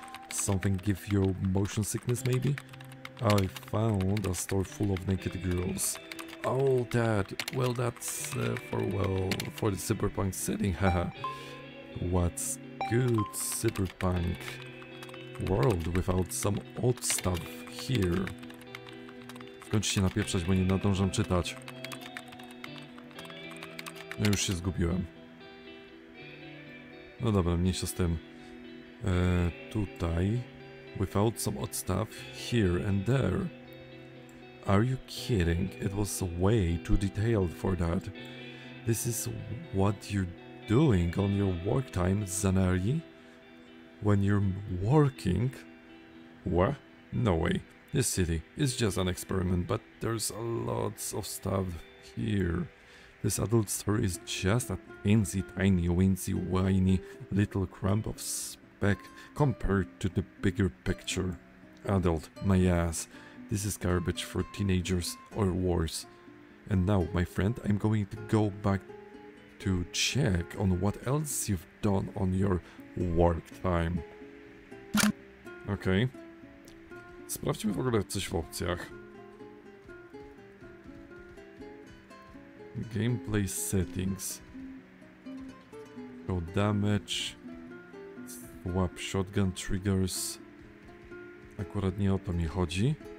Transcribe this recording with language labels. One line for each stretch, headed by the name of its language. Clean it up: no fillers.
English: Something give you motion sickness, maybe? I found a store full of naked girls. Oh, that. Well, that's for the cyberpunk setting, haha. What's good cyberpunk world without some odd stuff here?
Polish: Skończ się napieprzać, bo nie nadążam czytać. No już się zgubiłem. No dobra, mniejsza z tym. Tutaj.
English: Without some odd stuff here and there. Are you kidding? It was way too detailed for that. This is what you're doing on your work time, Zanari? When you're working? What? No way. This city is just an experiment, but there's lots of stuff here. This adult story is just a teensy tiny weensy whiny little crumb of speck compared to the bigger picture. Adult, my ass. This is garbage for teenagers or worse. And now, my friend, I'm going to go back to check on what else you've done on your work time.
Polish: Okej. Okay. Sprawdźmy w ogóle coś w opcjach.
English: Gameplay settings. Show damage. Swap shotgun triggers.
Polish: Akurat nie o to mi chodzi.